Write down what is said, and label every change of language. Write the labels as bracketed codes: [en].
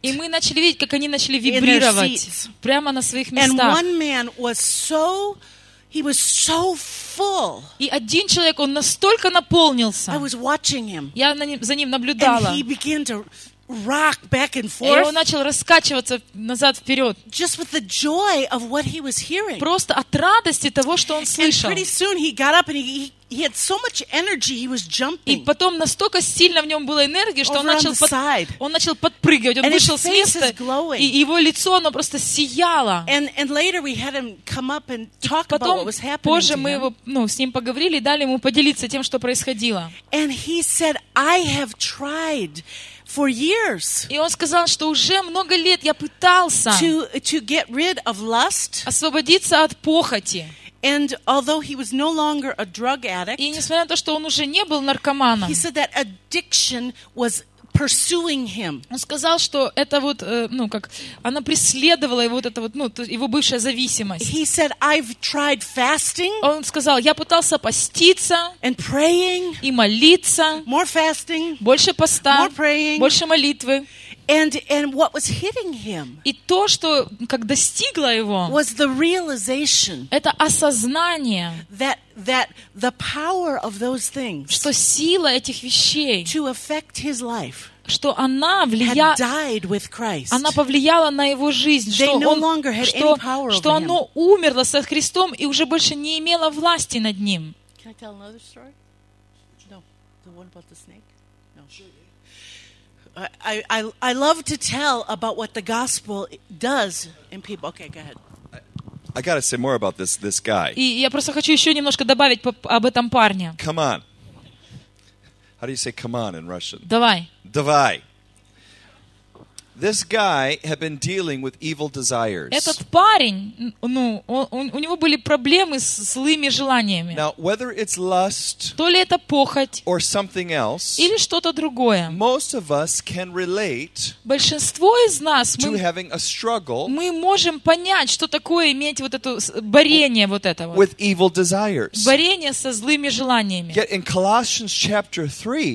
[ru] И мы начали видеть, как они начали вибрировать прямо на своих местах. [en] And one man was so full. [ru] И один человек он настолько наполнился. [en] I was watching him. [ru] Я за ним наблюдала. [en] And he began to rock back and forth. [ru] И он начал раскачиваться назад вперед. [en] Just with the joy of what he was hearing. [ru] Просто от радости того, что он слышал. [en] And pretty soon he got up and he had so much energy. He was jumping. [ru] И потом настолько сильно в нем было энергии, что он начал подпрыгивать. Он [en] and [ru] вышел с места. И его лицо оно просто сияло. [en] And later we had him come up and talk about what was happening. [ru] Позже мы его, ну, с ним поговорили, дали ему поделиться тем, что происходило. [en] And he said, I have tried. For years. [ru] И он сказал, что уже много лет я пытался [en] to get rid of lust. [ru] Освободиться от похоти. [en] And although he was no longer a drug addict. [ru] И несмотря на то, что он уже не был наркоманом. [en] He said that addiction was pursuing him. [ru] Он сказал, что это вот, ну, как она преследовала его, вот это вот, ну, его бывшая зависимость. [en] He said, I've tried fasting. [ru] Он сказал, я пытался поститься [en] and praying, [ru] и молиться. [en] More fasting, [ru] больше поста, [en] more praying, [ru] больше молитвы. [en] And what was hitting him? [ru] И то, что как достигло его? [en] Was the realization? [ru] Это осознание. [en] That the power of those things. [ru] Что сила этих вещей? [en] To affect his life. [ru] Что она влияла? Она повлияла на его жизнь. [en] They [ru] что [en] no [ru] он, что, что оно умерло со Христом и уже больше не имело власти над ним. [en] Can I tell another story? No, the one about the snake. No. I love to tell about what the gospel does in people. Okay, go ahead. I gotta say more about this guy. [ru] И я просто хочу еще немножко добавить об этом парне. [en] Come on. How do you say come on in Russian? [ru] Давай. Давай. [en] This guy had been dealing with evil desires. [ru] Этот парень, ну, у него были проблемы с злыми желаниями. [en] Now, whether it's lust, [ru] то ли это похоть, [en] or something else, [ru] или что-то другое. [en] Most of us can relate. [ru] Большинство из нас [en] to having a struggle. [ru] Мы можем понять, что такое иметь вот это борение вот этого. [en] With evil desires. [ru] Борение со злыми желаниями. [en] Yet in Colossians chapter 3,